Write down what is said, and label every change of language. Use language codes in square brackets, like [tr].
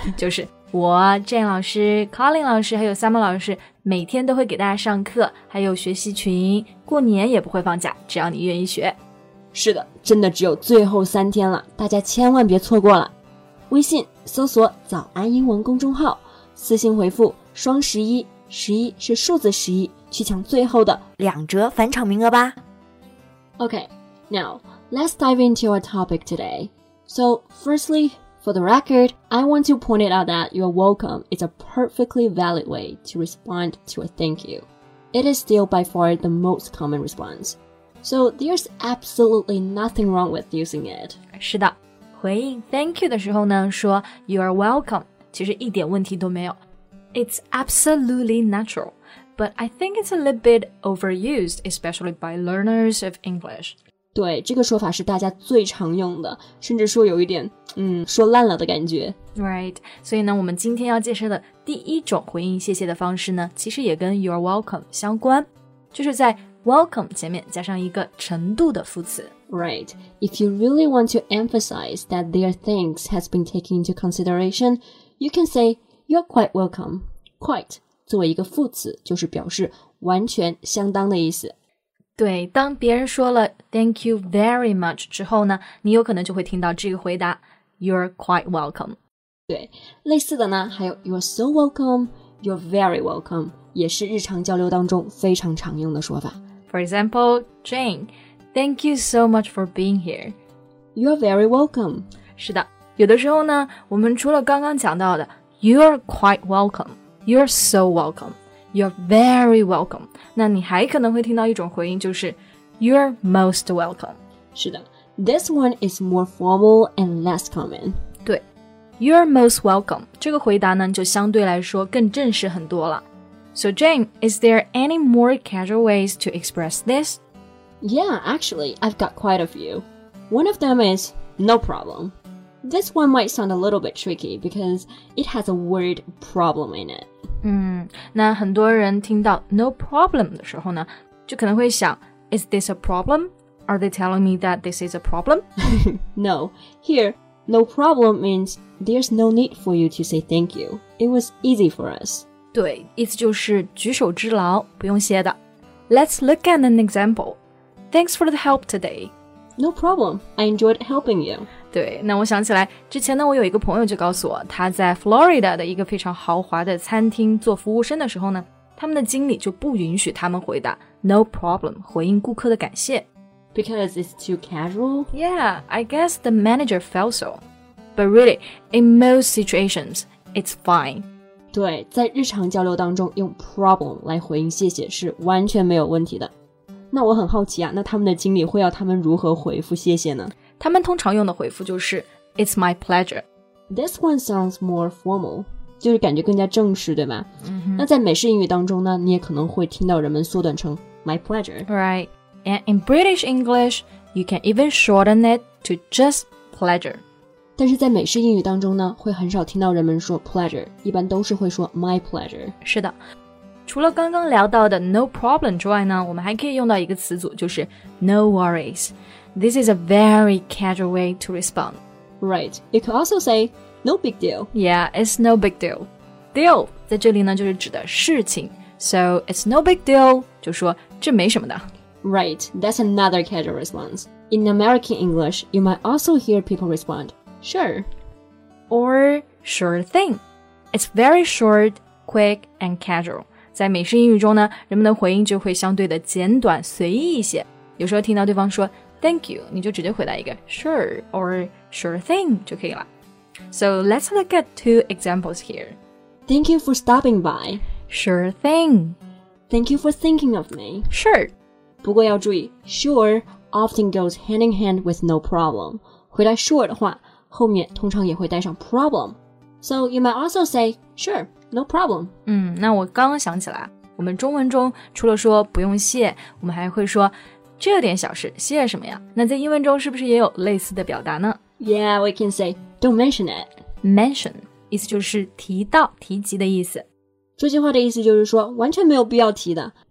[zh] 就是我 Jane 老师 Colin 老师还有 Summer 老师每天都会给大家上课，还有学习群，过年也不会放假，只要你愿意学。是的，真的只有最后三天了，大家千万别错过了。微信搜索早安英文公众号，私信回复双十一，十一是数字十一，去抢最后的两折返场名额吧。 [en] Okay, now let's dive into our topic today. So firstly, for the record, I want to point it out that you're welcome is a perfectly valid way to respond to a thank you. It is still by far the most common response. So there's absolutely nothing wrong with using it. [zh] 是的，回应 thank you 的时候呢，说 [en] you're welcome, [zh] 其实一点问题都没有。 [en] It's absolutely natural, but I think it's a little bit overused, especially by learners of English. [zh] 对，这个说法是大家最常用的，甚至说有一点，说烂了的感觉。 [en] Right, [zh] 所以呢，我们今天要介绍的第一种回应谢谢的方式呢，其实也跟 [en] you're welcome [zh] 相关，就是在 welcome 前面加上一个程度的副词。 [en] Right. If you really want to emphasize that their thanks has been taken into consideration,You can say, you're quite welcome. [zh] Quite, 作为一个副词就是表示完全相当的意思。对，当别人说了 [en] thank you very much [zh] 之后呢，你有可能就会听到这个回答 [en] you're quite welcome. [zh] 对，类似的呢，还有 [en] you're so welcome, you're very welcome, [zh] 也是日常交流当中非常常用的说法。 [en] For example, Jane, thank you so much for being here. You're very welcome. [zh] 是的。有的时候呢，我们除了刚刚讲到的 [en] You're quite welcome, You're so welcome, You're very welcome, [zh] 那你还可能会听到一种回应就是 [en] You're most welcome. [zh] 是的， [en] This one is more formal and less common. [zh] 对， [en] You're most welcome, [zh] 这个回答呢就相对来说更正式很多了。 [en] So Jane, is there any more casual ways to express this? Yeah, actually, I've got quite a few. One of them is no problemThis one might sound a little bit tricky because it has a word problem in it. [zh] 那很多人听到 [en] no problem [zh] 的时候呢，就可能会想 [en] is this a problem? Are they telling me that this is a problem? No. Here, no problem means there's no need for you to say thank you. It was easy for us. [zh] 对，意思就是举手之劳，不用谢的。 [en] Let's look at an example. Thanks for the help today. No problem. I enjoyed helping you. [zh] 对，那我想起来之前呢，我有一个朋友就告诉我，他在 Florida 的一个非常豪华的餐厅做服务生的时候呢，他们的经理就不允许他们回答 [en] no problem [zh] 回应顾客的感谢。 [en] Because it's too casual? Yeah, I guess the manager felt so. But really, in most situations, it's fine. [zh] 对，在日常交流当中用 problem 来回应谢谢是完全没有问题的。那我很好奇啊，那他们的经理会要他们如何回复谢谢呢？他们通常用的回复就是 [en] It's my pleasure. This one sounds more formal. [zh] 就是感觉更加正式，对吧？ Mm-hmm. 那在美式英语当中呢，你也可能会听到人们缩短成 [en] my pleasure. Right. And in British English, you can even shorten it to just pleasure. [zh] 但是在美式英语当中呢，会很少听到人们说 pleasure, 一般都是会说 [en] my pleasure. [zh] 是的。除了刚刚聊到的 [en] no problem [zh] 之外呢，我们还可以用到一个词组，就是 [en] no worries. This is a very casual way to respond. Right. You can also say,No big deal. Yeah, it's no big deal. [zh] Deal 在这里呢就是指的事情。 [en] So it's no big deal, [zh] 就说这没什么的。 [en] Right, that's another casual response. In American English, you might also hear people respond, sure. Or sure thing. It's very short, quick, and casual. [zh] 在美式英语中呢，人们的回应就会相对的简短随意一些。有时候听到对方说 [en] thank you, [zh] 你就直接回答一个 [en] sure or sure thing [zh] 就可以了。 [en] So let's look at two examples here. Thank you for stopping by. Sure thing. Thank you for thinking of me. Sure. [zh] 不过要注意 [en] sure often goes hand in hand with no problem. [zh] 回答 sure 的话后面通常也会带上 problem. [en] So you might also say, sure, no problem. [zh] 那我刚刚想起来我们中文中除了说不用谢我们还会说这点小事谢什么呀那在英文中是不是也有类似的表达呢 [en] Yeah, we can say, don't mention it. [zh] Mention, 意思就是提到、提及的意思。这句话的意思就是说完全没有必要提的。